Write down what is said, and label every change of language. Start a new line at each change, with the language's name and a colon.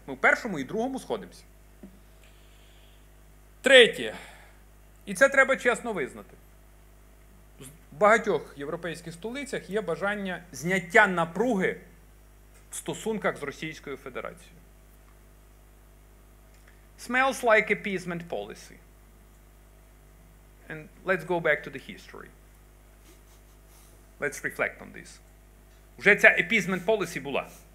Ukrainian: Ми в першому і другому сходимося. Третє. І це треба чесно визнати. В багатьох європейських столицях є бажання зняття напруги в стосунках з Російською Федерацією.
English: Smells like appeasement policy. And let's go back to the history. Let's reflect on this.
Ukrainian: Вже ця appeasement policy була.